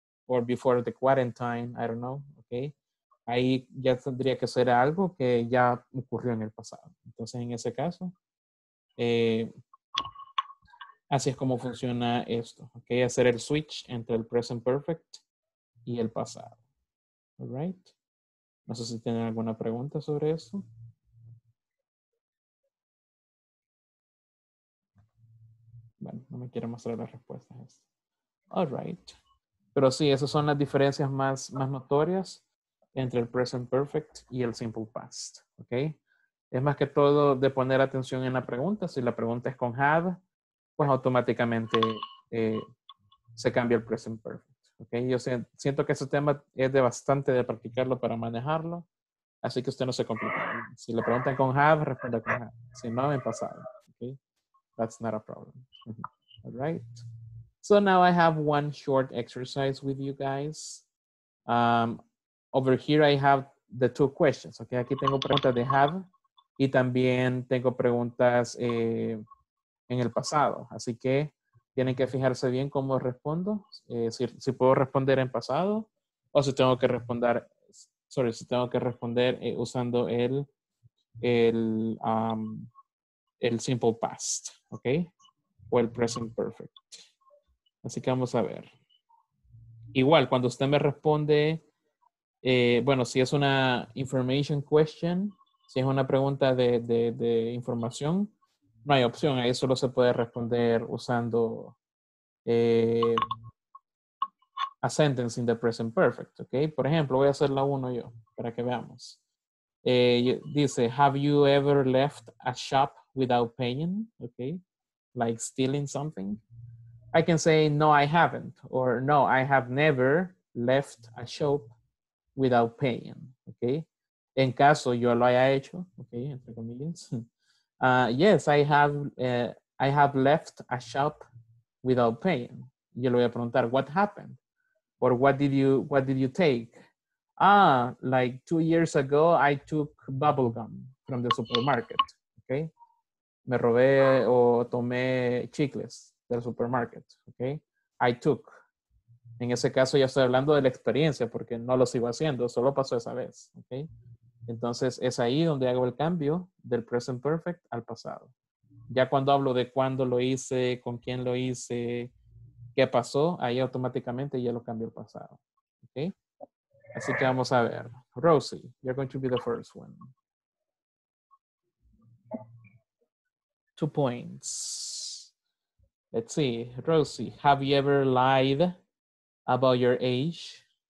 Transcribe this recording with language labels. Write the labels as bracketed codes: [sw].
[en] Or before the quarantine, I don't know, okay? [es] Ahí ya tendría que ser algo que ya ocurrió en el pasado. Entonces, en ese caso, así es como funciona esto, okay? Hacer el switch entre el present perfect y el pasado, all right? No sé si tienen alguna pregunta sobre eso. Bueno, no me quiero mostrar las respuestas a esto. All right. Pero sí, esas son las diferencias más notorias entre el present perfect y el simple past, ¿ok? Es más que todo de poner atención en la pregunta. Si la pregunta es con have, pues automáticamente se cambia el present perfect. Okay? Yo siento que ese tema es de bastante de practicarlo para manejarlo. Así que usted no se complica. Si le preguntan con have, responda con have. Si no, en pasado. Okay? [en] That's not a problem. [es] All right. [en] So now I have one short exercise with you guys. Over here I have the two questions. [es] Okay, aquí tengo preguntas de have y también tengo preguntas en el pasado. Así que tienen que fijarse bien cómo respondo. Si puedo responder en pasado o si tengo que responder, si tengo que responder usando el simple past, okay, o el present perfect. Así que vamos a ver. Igual, cuando usted me responde, si es una information question, si es una pregunta de información, no hay opción. Ahí solo se puede responder usando [en] a sentence in the present perfect. [es] Okay? Por ejemplo, voy a hacer la uno yo para que veamos. [en] Dice, have you ever left a shop without paying? Okay? Like stealing something? I can say, no, I haven't, or no, I have never left a shop without paying, okay? [es] En caso yo lo haya hecho, okay, entre comillas. [en] Yes, I have left a shop without paying. [es] Yo le voy a preguntar, [en] what happened? Or what did you take? Ah, like 2 years ago, I took bubble gum from the supermarket, okay? [es] Me robé o tomé chicles del supermarket, okay? [en] I took. [es] En ese caso ya estoy hablando de la experiencia porque no lo sigo haciendo, solo pasó esa vez, okay? Entonces es ahí donde hago el cambio del present perfect al pasado. Ya cuando hablo de cuándo lo hice, con quién lo hice, qué pasó, ahí automáticamente ya lo cambio al pasado, okay? Así que vamos a ver. [en] Rosie, you're going to be the first one. 2 points. Let's see, Rosie, have you ever lied about your age?